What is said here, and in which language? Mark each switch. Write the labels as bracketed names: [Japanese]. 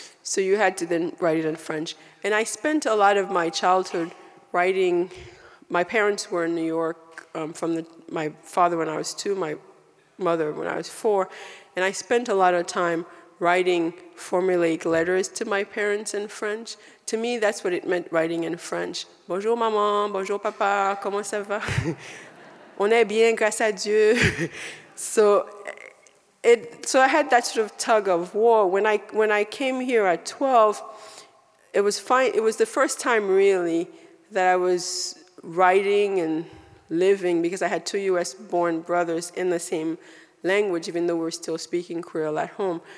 [English] So you had to then write it in French. And I spent a lot of my childhood writing. My parents were in New York, my father when I was two, my mother when I was four, and I spent a lot of time writing formulaic letters to my parents in French. To me, that's what it meant, writing in French. [French] Bonjour maman, bonjour papa, comment ça va? On est bien, grâce à Dieu. [English] So I had that sort of tug of war. When I came here at 12, it was fine. It was the first time really that I was writing and living, because I had two U.S. born brothers in the same language, even though we were still speaking Creole at home.